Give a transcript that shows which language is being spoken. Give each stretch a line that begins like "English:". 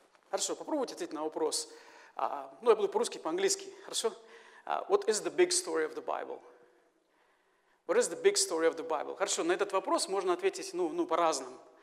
Russian: Хорошо, попробуйте ответить на вопрос. Ну, я буду по-русски, по-английски. Хорошо?
English: What is the big story of the Bible? What is the big story of the Bible?
Russian: Хорошо, на этот вопрос можно ответить, ну по-разному.